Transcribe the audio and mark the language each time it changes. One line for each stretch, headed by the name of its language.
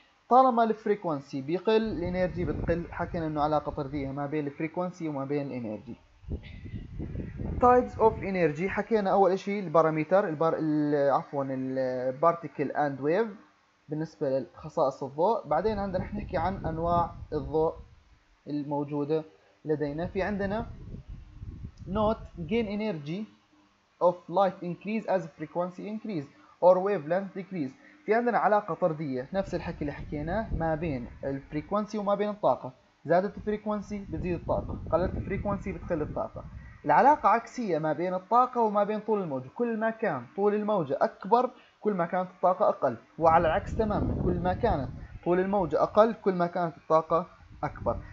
Arabic: طالما الفريكوانسي بيقل الانرجي بتقل، حكينا انه علاقة طردية ما بين الفريكوانسي وما بين الانرجي.
English: types of energy
Arabic: حكينا اول اشي
English: الباراميتر البارتيكل and wave
Arabic: بالنسبة لخصائص الضوء. بعدين عندنا رح نحكي عن انواع الضوء الموجودة لدينا. في عندنا
English: Note gain energy of light increase as frequency increase or wavelength decrease.
Arabic: في عندنا علاقة طردية نفس الحكي اللي حكيناه ما بين الفريكوانسي وما بين الطاقة، زادت الفريكوانسي بتزيد الطاقة، قلت الفريكوانسي بتقل الطاقة. العلاقة عكسية ما بين الطاقة وما بين طول الموجة، كل ما كان طول الموجة أكبر كل ما كانت الطاقة أقل، وعلى العكس تماما كل ما كانت طول الموجة أقل كل ما كانت الطاقة أكبر.